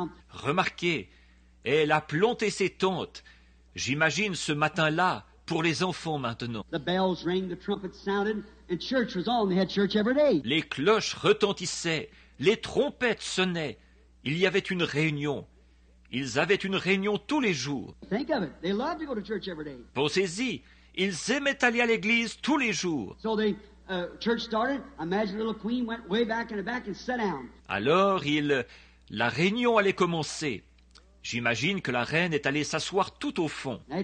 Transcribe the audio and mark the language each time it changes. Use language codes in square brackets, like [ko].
[fr] Remarquez, elle a planté ses tentes. J'imagine ce matin-là pour les enfants maintenant. [en] The bells rang, the trumpets sounded, and church was on. They had church every day. [fr] Les cloches retentissaient, les trompettes sonnaient. Il y avait une réunion. Ils avaient une réunion tous les jours. [en] Think of it. They loved to go to church every day. [fr] Pensez-y, ils aimaient aller à l'église tous les jours. [en] So they church started. Imagine little queen went way back in the back and sat down. [fr] Alors la réunion allait commencer. J'imagine que la reine est allée s'asseoir tout au fond.